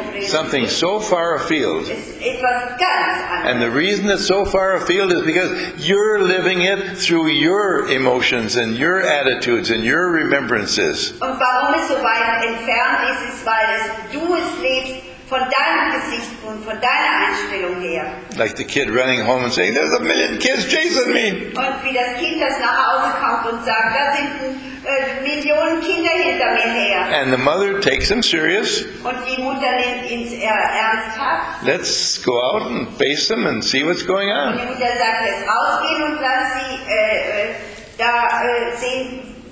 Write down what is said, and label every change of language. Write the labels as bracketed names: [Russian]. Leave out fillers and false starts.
[English] Something so far afield. And the reason it's so far afield is because you're living it through your emotions and your attitudes and your remembrances. [German] Und warum es so weit entfernt ist, ist, weil es du es lebst von deinem Gesichtspunkt, von deiner Einstellung her. [English] Like the kid running home and saying, there's a million kids chasing me. [German] Und wie das Kind, das nach Hause kommt und sagt, da sind Millionen Kinder hinter mir her. [English] And the mother takes him serious. [German] Und die Mutter nimmt ihn ernsthaft. [English] Let's go out and face them and see what's going on. [German] Und die Mutter sagt, lass rausgehen und lass sie da sehen.